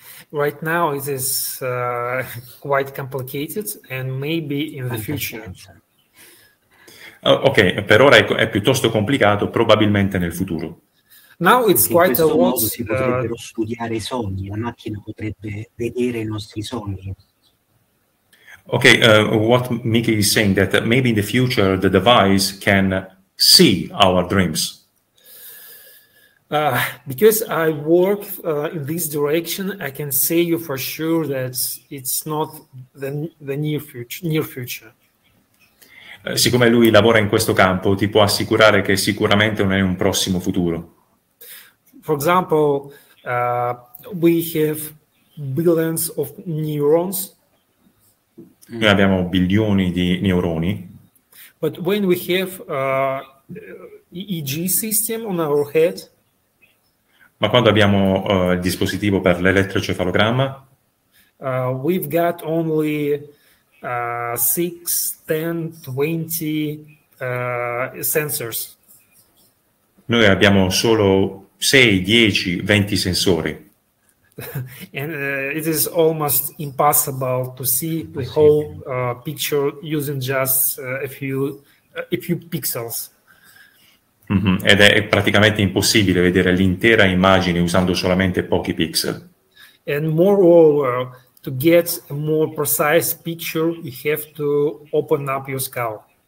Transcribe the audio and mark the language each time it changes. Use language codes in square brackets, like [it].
[en] Right now it is quite complicated, and maybe in the future. [it] Ok, per ora è piuttosto complicato, probabilmente nel futuro. [en] Now it's quite [it] in questo modo si potrebbero studiare i sogni, la macchina potrebbe vedere i nostri sogni. [en] Ok, what Mickey is saying that maybe in the future the device can see our dreams. Because I work in this direction, I can say you for sure that it's not the near future. [it] Siccome lui lavora in questo campo, ti può assicurare che sicuramente non è un prossimo futuro. [en] For example, we have billions of neurons. [it] Noi abbiamo bilioni di neuroni. [en] But when we have EEG system on our head. [it] Ma quando abbiamo il dispositivo per l'elettroencefalogramma? [en] We've got only 6, 10, 20 sensors. [it] Noi abbiamo solo 6, 10, 20 sensori. [en] And it is almost impossible to see the whole picture using just a few pixels. Mm-hmm. [it] Ed è praticamente impossibile vedere l'intera immagine usando solamente pochi pixel. [en] And moreover, to get a more precise picture, you have to open up your skull.